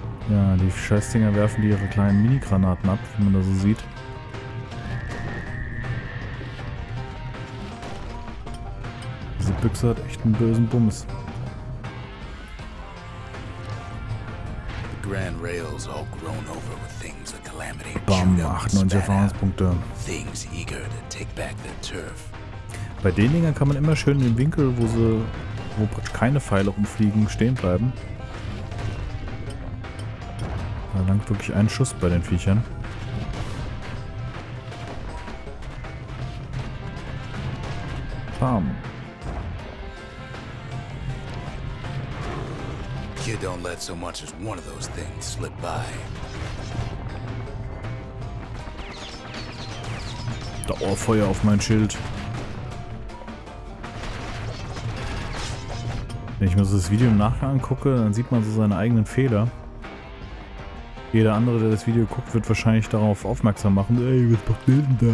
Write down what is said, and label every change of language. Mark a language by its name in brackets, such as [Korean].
[German] Ja, die Scheißdinger werfen die ihre kleinen Minigranaten ab, wie man das so sieht. Diese Büchse hat echt einen bösen Bums. [English] Grand Rails all grown over with things of calamity. [German] Bam, 98 Erfahrungspunkte. [English] Things eager to take back the turf. [German] Bei den Dingern kann man immer schön im Winkel, wo keine Pfeile rumfliegen, stehen bleiben. Da langt wirklich ein Schuss bei den Viechern. Bam. [English] You don't let so much as one of those things slip by. [German] Dauerfeuer auf mein Schild. Wenn ich mir so das Video im Nachgang angucke, dann sieht man so seine eigenen Fehler. Jeder andere, der das Video guckt, wird wahrscheinlich darauf aufmerksam machen. Ey, was macht der denn da?